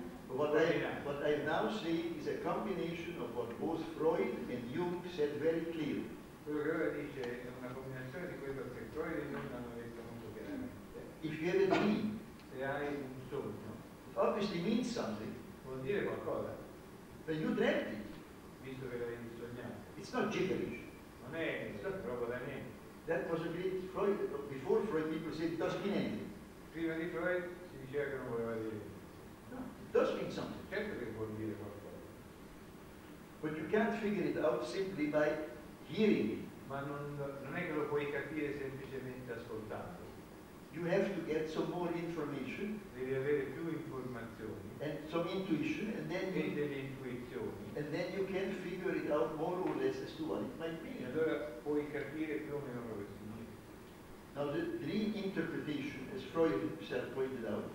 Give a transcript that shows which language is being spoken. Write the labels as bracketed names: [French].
[English] What I now see is a combination of what both Freud and Jung said very clearly. [Italian] Quello che ora dice è una combinazione di quello che Freud e Jung hanno detto molto chiaramente. [English] If you have a dream, [Italian] se hai un sogno, [English] obviously means something. [Italian] Vuol dire qualcosa. [English] But you dreamt it. [Italian] Visto che l'hai sognato. [English] It's not gibberish. [Italian] Non è, proprio da niente. [English] That possibly Freud, before Freud people said it doesn't mean anything. [Italian] Prima di Freud si diceva che non voleva dire. [English] Does mean something. [Italian] Certo che vuol dire qualcosa. [English] But you can't figure it out simply by hearing it. [Italian] Ma non è che lo puoi capire semplicemente ascoltando. [English] You have to get some more information. [Italian] Devi avere più informazioni. [English] And some intuition. And then [Italian] e delle intuizioni. [English] And then you can figure it out more or less as to what it might be. [Italian] E allora puoi capire più o meno quello che significa. [English] Now the dream interpretation, as Freud himself pointed out.